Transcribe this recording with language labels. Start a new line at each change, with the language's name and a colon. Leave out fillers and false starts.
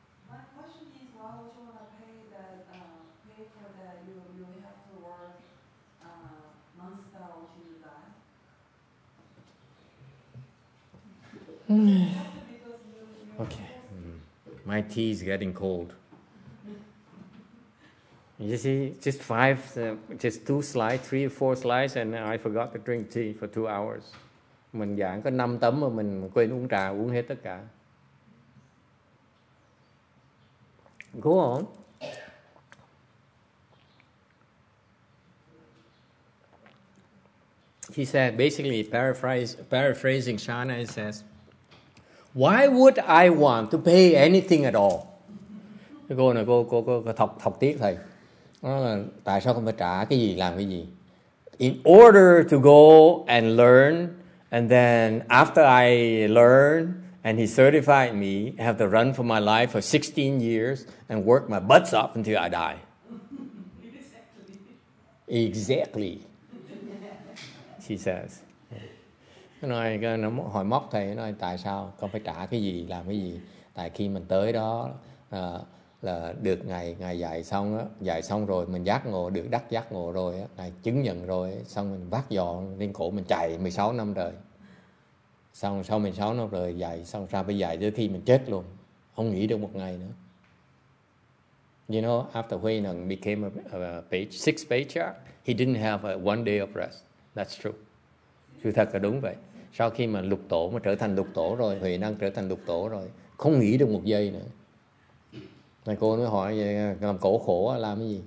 English: My question is, why would you want to pay for that you have to work non-stop to die? Okay. My tea is getting cold. You see, just three or four slides, and I forgot to drink tea for 2 hours.
Vietnamese: Mình giảng có 5 tấm mà mình quên uống trà, uống hết tất cả.
English: Go on. He said, basically paraphrasing Shana, he says, why would I want to pay anything at all?
Vietnamese: Cô này, cô thọc tiếc thầy. Nó là tại sao không phải trả cái gì làm cái gì?
English: In order to go and learn, and then after I learn and he certified me, I have to run for my life for 16 years and work my butts off until I die. Exactly. She says.
Vietnamese: Nói hỏi móc thầy, nói tại sao không phải trả cái gì làm cái gì? Tại khi mình tới đó là được ngày dạy xong rồi mình giác ngộ, được đắc giác ngộ rồi á, ngày chứng nhận rồi á, xong mình vác giò lên cổ mình chạy 16 năm trời. Xong sau 16 năm rồi dạy xong ra phải dạy tới khi mình chết luôn, không nghỉ được một ngày nữa.
English: You know, after Huy Nhung became sixth patriarch, he didn't have a one day of rest. That's true.
Vietnamese: Sự thật là đúng vậy. Sau khi mà lục tổ mà trở thành lục tổ rồi, Huy Nhung trở thành lục tổ rồi, không nghỉ được một giây nữa. Này cô mới hỏi vậy, làm cổ khổ làm cái gì?